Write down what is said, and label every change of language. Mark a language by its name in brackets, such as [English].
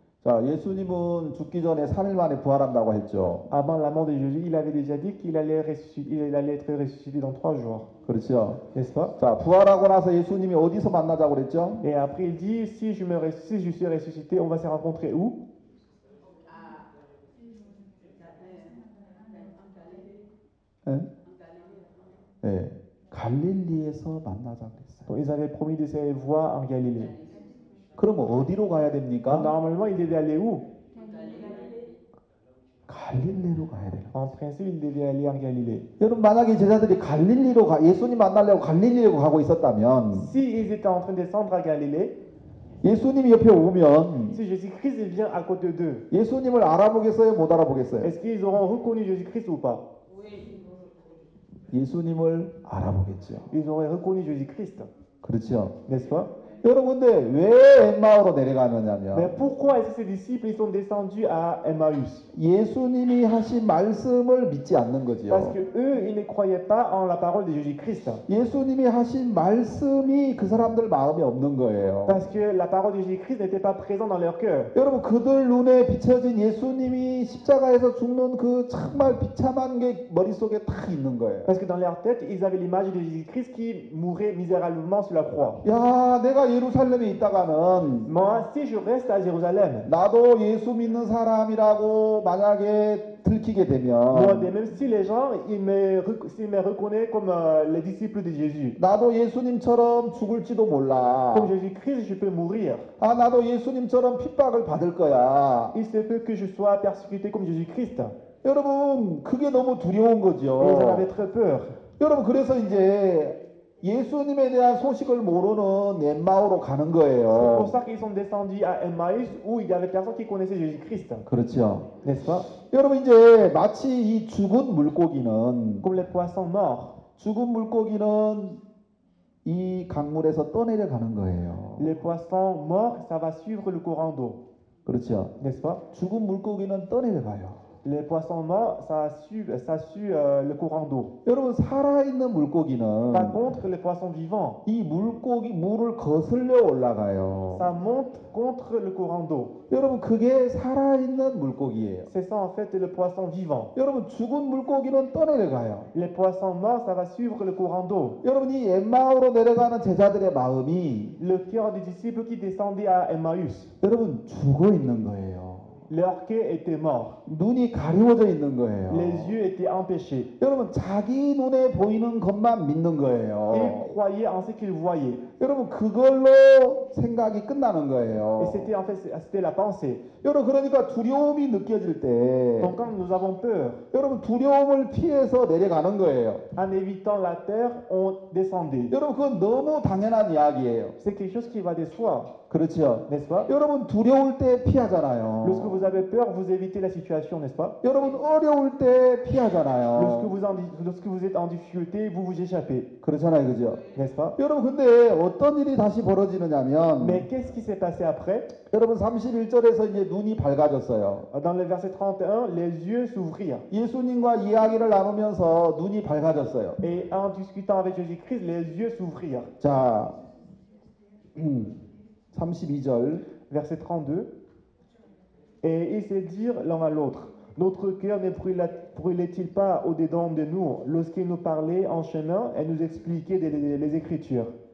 [Korean] 자, 예수님은 죽기 전에 3일 만에 부활한다고 했죠. [French] Avant la mort de Jésus, il avait déjà dit qu'il allait ressusciter, il allait être ressuscité dans 3 jours. [Korean] 그렇죠. [French] N'est-ce pas? [Korean] 자, 부활하고 나서 예수님이 어디서 만나자고 그랬죠? [French] Et après il dit si je me si je suis ressuscité, on va se rencontrer où? À Galilée. 예. [Korean] 갈릴리에서 만나자고 그랬어요. [French] Ils avaient promis de se voir en Galilée. [Korean] 그럼 어디로 가야 됩니까? [French] Normalement, il devait aller où? [Korean] 갈릴리로 가야 돼요. [French] En principe, il devait aller en Galilée. [Korean] 여러분 만약에 제자들이 갈릴리로 가 예수님 만나려고 갈릴리로 가고 있었다면 [French] Si ils étaient en train de descendre à Galilée. [Korean] 예수님이 옆에 오면 [French] Si Jésus-Christ vient à côté d'eux. [Korean] 예수님을 알아보겠어요, 못 알아보겠어요? [French] Est-ce qu'ils auront reconnu Jésus-Christ ou pas? [Korean] Oui. 예수님을 알아보겠죠. [French] Ils auraient reconnu Jésus-Christ. [Korean] 그렇죠. [French] N'est-ce pas? [Korean] 여러분들 왜 엠마오로 내려가느냐면 [French] Mais pourquoi est-ce que ces disciples sont descendus à Emmaüs? [Korean] 예수님이 하신 말씀을 믿지 않는 거지요. [French] Parce que eux ils ne croyaient pas en la parole de Jésus-Christ. [Korean] 예수님이 하신 말씀이 그 사람들 마음에 없는 거예요. [French] Parce que la parole de Jésus-Christ n'était pas présente dans leur cœur. [Korean] 여러분 그들 눈에 비춰진 예수님이 십자가에서 죽는 그 정말 비참한 게 머릿속에 딱 있는 거예요. [French] Parce que dans leur tête, ils avaient l'image de Jésus-Christ qui mourait misérablement sur la croix. [Korean] 야, 내가 예루살렘에 있다가는 [French] Moi, si je reste à Jérusalem, [Korean] 나도 예수 믿는 사람이라고 만약에 들키게 되면 [French] Moi, même si les gens me reconnaissent comme les disciples de Jésus, [Korean] 나도 예수님처럼 죽을지도 몰라. [French] Comme Jésus-Christ, je peux mourir. [Korean] 아, 나도 예수님처럼 핍박을 받을 거야. [French] Il se peut que je sois persécuté comme Jésus-Christ. [Korean] 여러분, 그게 너무 두려운 거죠. [French] Ils avaient très peur. [Korean] 여러분, 그래서 이제 예수님에 대한 소식을 모르는 엠마오로 가는 거예요. [French] C'est pour ça qu'ils sont descendus à Emmaüs où il y avait personne qui connaissait Jésus-Christ. [Korean] 그렇죠. [French] N'est-ce pas? [Korean] 여러분 이제 마치 이 죽은 물고기는 [French] Comme les poissons morts. [Korean] 죽은 물고기는 이 강물에서 떠내려 가는 거예요. [French] Les poissons morts, ça va suivre le courant d'eau. [Korean] 그렇죠. [French] N'est-ce pas? [Korean] 죽은 물고기는 떠내려 가요. [French] Les poissons morts, ça suit le courant d'eau. [Korean] 여러분 살아있는 물고기는 [French] Par contre, les poissons vivants, [Korean] 이 물고기 물을 거슬려 올라가요. [French] Ça monte contre le courant d'eau. [Korean] 여러분 그게 살아있는 물고기예요. [French] C'est ça en fait le poisson vivant. [Korean] 여러분 죽은 물고기는 떠내려가요. [French] Les poissons morts, ça va suivre le courant d'eau. [Korean] 여러분 이 엠마오로 내려가는 제자들의 마음이 [French] Le cœur des disciples qui descendaient à Emmaüs. [Korean] 여러분 죽어 있는 거예요. [French] Leur cœur était mort. [Korean] 눈이 가려워져 있는 거예요. [French] Les yeux étaient empêchés. [Korean] 여러분 자기 눈에 보이는 것만 믿는 거예요. [French] Ils croyaient en ce qu'ils voyaient. [Korean] 여러분 그걸로 생각이 끝나는 거예요. [French] Et c'était en fait c'était la pensée. [Korean] 여러분 그러니까 두려움이 느껴질 때 [French] Donc quand nous avons peur, [Korean] 여러분 두려움을 피해서 내려가는 거예요. [French] En évitant la peur, on descendait. [Korean] 여러분 그건 너무 당연한 이야기예요. [French] C'est quelque chose qui va de soi. [Korean] 그렇죠. [French] N'est-ce pas? [Korean] 여러분 두려울 때 피하잖아요. [French] Lorsque vous avez peur, vous évitez la situation, n'est-ce pas? [Korean] 여러분 어려울 때 피하잖아요. [French] Lorsque vous êtes en difficulté, vous vous échappez. [Korean] 그렇잖아요, 그죠? [French] N'est-ce pas? [Korean] 여러분 근데 어떤 일이 다시 벌어지느냐면 [French] Mais qu'est-ce qui s'est passé après? [Korean] 여러분 31절에서 이제 눈이 밝아졌어요. [French] Dans le verset 31, les yeux s'ouvrirent. [Korean] 예수님과 이야기를 나누면서 눈이 밝아졌어요. [French] Et en discutant avec Jésus-Christ, les yeux s'ouvrirent. [Korean] 자. 32절 [French] verset 32 et ils se dirent l'un à l'autre notre cœur ne brûlait-il pas au dedans de nous lorsqu'il nous parlait en chemin et nous expliquait les écritures